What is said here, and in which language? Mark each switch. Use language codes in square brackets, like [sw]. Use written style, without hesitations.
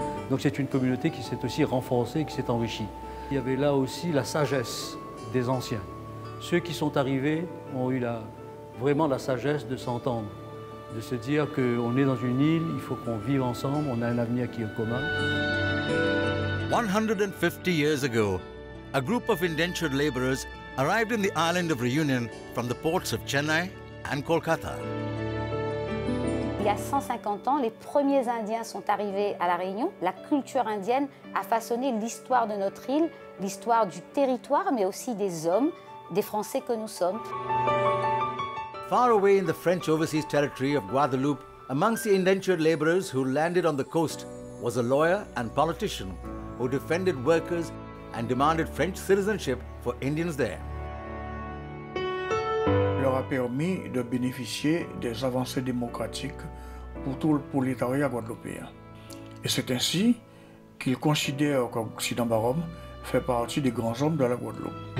[fr] Donc c'est une communauté qui s'est aussi renforcée, qui s'est enrichie. Il y avait là aussi la sagesse des anciens. Ceux qui sont arrivés ont eu vraiment la sagesse de s'entendre, de se dire qu'on est dans une île, il faut qu'on vive ensemble, on a un avenir qui est commun. [en] 150 years ago, a group of indentured laborers arrived in the island of Réunion from the ports of Chennai and Kolkata. [fr] Il y a 150 ans, les premiers Indiens sont arrivés à la Réunion. La culture indienne a façonné l'histoire de notre île, l'histoire du territoire, mais aussi des hommes, des Français que nous sommes. [en] Far away in the French overseas territory of Guadeloupe, amongst the indentured laborers who landed on the coast was a lawyer and politician who defended workers and demanded French citizenship for Indians there. [fr] Leur a permis de bénéficier des avancées démocratiques pour tout le prolétariat guadeloupéen. Et c'est ainsi qu'ils considèrent que Sidambarom fait partie des grands hommes de la Guadeloupe.